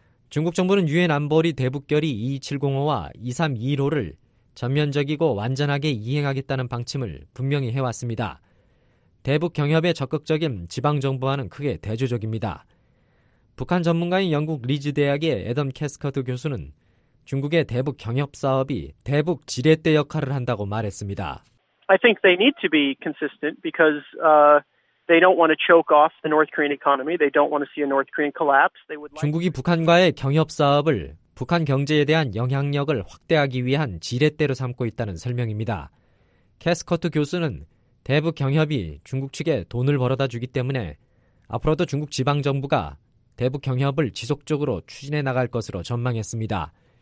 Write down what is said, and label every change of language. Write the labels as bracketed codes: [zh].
[ko] 중국 정부는 유엔 안보리 대북결의 2705와 2321호를 전면적이고 완전하게 이행하겠다는 방침을 분명히 해왔습니다. 대북 경협에 적극적인 지방정부와는 크게 대조적입니다. 북한 전문가인 영국 리즈 대학의 애덤 캐스커드 교수는 중국의 대북 경협 사업이 대북 지렛대 역할을 한다고 말했습니다. [en] I think they need to be consistent because they don't want to choke off the North Korean economy. They don't want to see a North Korean collapse. They would like [ko] 중국이 북한과의 경협 사업을 북한 경제에 대한 영향력을 확대하기 위한 지렛대로 삼고 있다는 설명입니다. 캐스커트 교수는 대북 경협이 중국 측에 돈을 벌어다 주기 때문에 앞으로도 중국 지방 정부가 대북 경협을 지속적으로 추진해 나갈 것으로 전망했습니다.